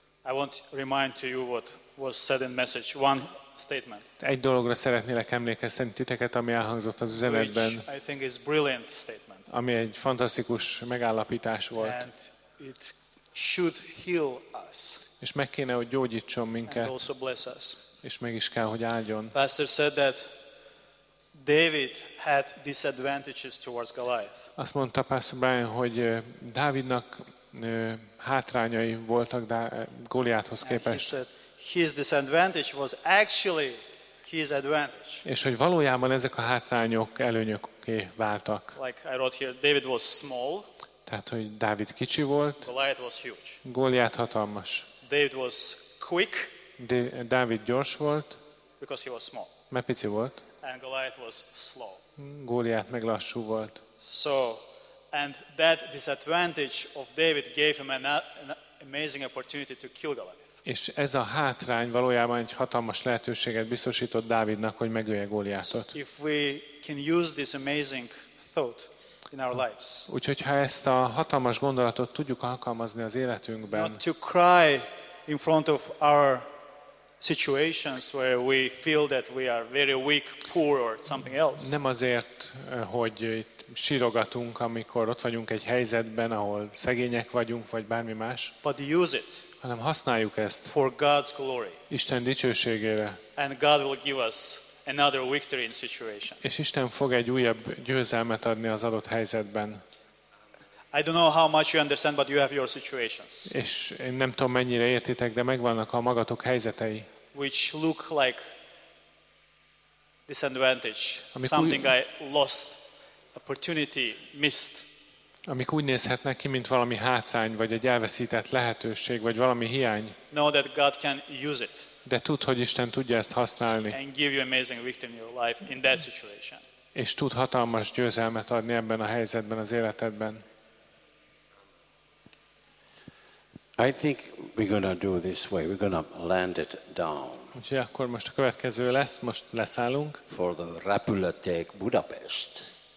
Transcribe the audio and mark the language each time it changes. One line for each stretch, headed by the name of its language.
English: I want to remind you what was said in message. One statement.
Hungarian: Egy dologra szeretnélek emlékeztetni titeket, ami elhangzott az üzenetben.
English: I think is brilliant statement.
Hungarian: Ami egy fantasztikus megállapítás volt.
English: It should heal us.
Hungarian: És meg kéne, hogy gyógyítson minket.
English: And also bless us.
Hungarian: És meg is kell, hogy áldjon.
English: Pastor said that David had disadvantages towards Goliath.
Hungarian: Azt mondta Pastor Brian, hogy Dávidnak hátrányai voltak Goliáthoz képest.
English: And he said his disadvantage was actually his advantage.
Hungarian: És hogy valójában ezek a hátrányok előnyökké váltak.
English: Like I wrote here, David was small.
Hungarian: Tehát, hogy Dávid kicsi volt.
English: Goliath was huge.
Hungarian: Goliath hatalmas.
English: David was quick.
Hungarian: Dávid gyors volt.
English: Because he was small.
Hungarian: Mert pici volt.
English: And Goliath was slow.
Hungarian: Goliath meg lassú volt.
English: So, and that disadvantage of David gave him an amazing opportunity to kill Goliath.
Hungarian: És ez a hátrány valójában egy hatalmas lehetőséget biztosított Dávidnak, hogy megölje Goliathot.
English: If we can use this amazing thought in our lives.
Hungarian: Úgyhogy ha ezt a hatalmas gondolatot tudjuk alkalmazni az életünkben.
English: Not to cry in front of our situations where we feel that we are very weak, poor or something else.
Hungarian: Nem azért, hogy itt sírogatunk, amikor ott vagyunk egy helyzetben, ahol szegények vagyunk vagy bármi más.
English: But use it.
Hungarian: Hanem használjuk ezt.
English: For God's glory.
Hungarian: Isten dicsőségére.
English: And God will give us another victory in situation.
Hungarian: És Isten fog egy újabb győzelmet adni az adott helyzetben.
English: I don't know how much you understand, but you have your situations.
Hungarian: És én nem tudom, mennyire értitek, de megvannak a magatok helyzetei.
English: Which look like disadvantage, something I lost, opportunity missed.
Hungarian: Amik úgy nézhetnek ki, mint valami hátrány, vagy egy elveszített lehetőség, vagy valami hiány.
English: Know that God can use it.
Hungarian: De tud, hogy Isten tudja ezt használni.
English: And give you amazing victory in your life in that situation.
Hungarian: És tud hatalmas győzelmet adni ebben a helyzetben, az életedben.
English: I think we're gonna do this way. We're gonna land it down.
Hungarian: Úgyhogy akkor most a következő lesz, most leszállunk.
English: For the
Hungarian: Repülőtér
English: Budapest.